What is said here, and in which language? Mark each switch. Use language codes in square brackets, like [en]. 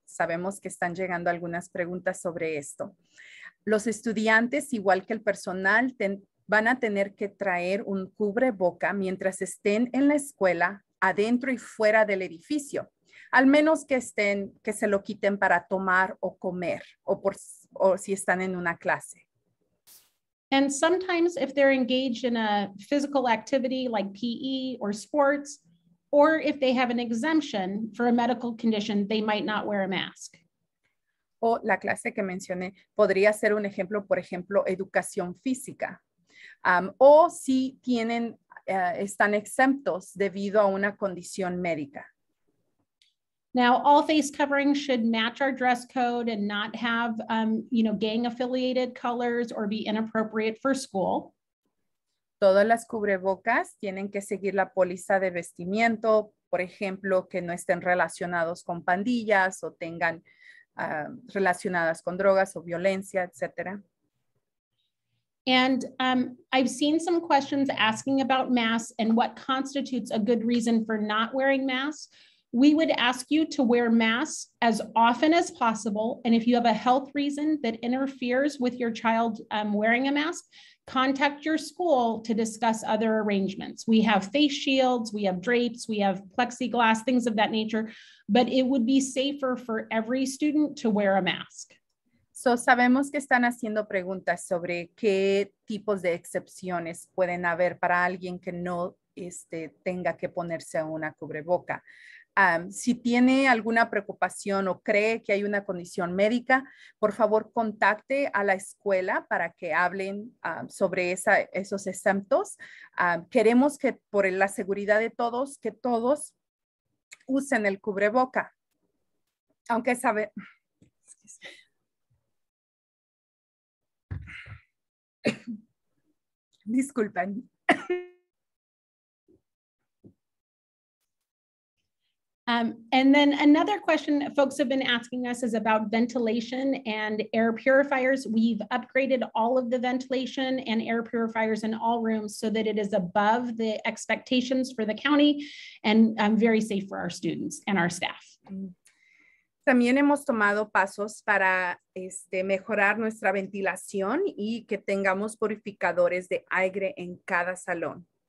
[es] Sabemos que están llegando algunas preguntas sobre esto. Los estudiantes, igual que el personal, van a tener que traer un cubreboca mientras estén en la escuela, adentro y fuera del edificio, al menos que se lo quiten para tomar o comer, o si están en una clase. [en] And sometimes if they're engaged in a physical activity like PE or sports, or if they have an exemption for a medical condition, they might not wear a mask. [es] O la clase que mencioné podría ser un ejemplo, por ejemplo, educación física. O si tienen, están exentos debido a una condición médica. [en] Now, all face coverings should match our dress code and not have, you know, gang-affiliated colors or be inappropriate for school. [es] Todas las cubrebocas tienen que seguir la póliza de vestimiento, por ejemplo, que no estén relacionados con pandillas o tengan relacionadas con drogas o violencia, etc. [en] And I've seen some questions asking about masks and what constitutes a good reason for not wearing masks. We would ask you to wear masks as often as possible. And if you have a health reason that interferes with your child wearing a mask, contact your school to discuss other arrangements. We have face shields, we have drapes, we have plexiglass, things of that nature, but it would be safer for every student to wear a mask. [es] So sabemos que están haciendo preguntas sobre qué tipos de excepciones pueden haber para alguien que no tenga que ponerse una cubreboca. Si tiene alguna preocupación o cree que hay una condición médica, por favor contacte a la escuela para que hablen sobre esos exentos. Queremos que por la seguridad de todos, que todos usen el cubreboca. Aunque sabe... Disculpen. [en] And then another question folks have been asking us is about ventilation and air purifiers. We've upgraded all of the ventilation and air purifiers in all rooms so that it is above the expectations for the county and very safe for our students and our staff. [es] También hemos tomado pasos para mejorar nuestra ventilación y que tengamos purificadores de aire en cada salón.